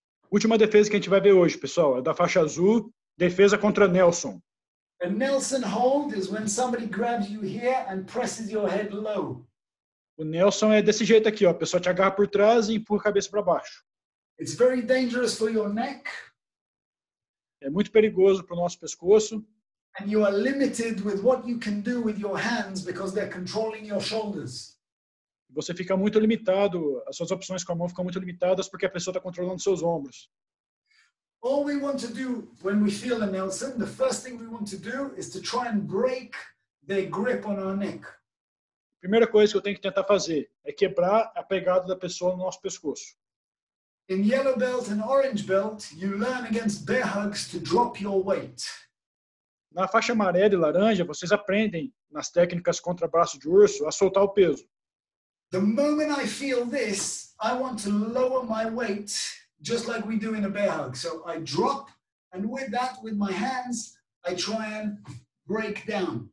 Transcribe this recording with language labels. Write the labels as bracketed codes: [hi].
[pt] Última defesa que a gente vai ver hoje, pessoal, é da faixa azul, defesa contra Nelson. [en] A Nelson hold is when somebody grabs you here and presses your head low. [pt] O Nelson é desse jeito aqui, ó. A pessoa te agarra por trás e empurra a cabeça para baixo. [en] It's very dangerous for your neck. [pt] É muito perigoso para o nosso pescoço. [en] And you are limited with what you can do with your hands because they're controlling your shoulders. [pt] Você fica muito limitado, as suas opções com a mão ficam muito limitadas porque a pessoa está controlando seus ombros. [en] All we want to do when we feel a Nelson, the first thing we want to do is to try and break the grip on our neck. [pt] Primeira coisa que eu tenho que tentar fazer é quebrar a pegada da pessoa no nosso pescoço. [en] In yellow belt and orange belt, you learn against bear hugs to drop your weight. [pt] Na faixa amarela e laranja, vocês aprendem nas técnicas contra braço de urso a soltar o peso. [en] The moment I feel this, I want to lower my weight, just like we do in a bear hug. So I drop, and with that, with my hands, I try and break down.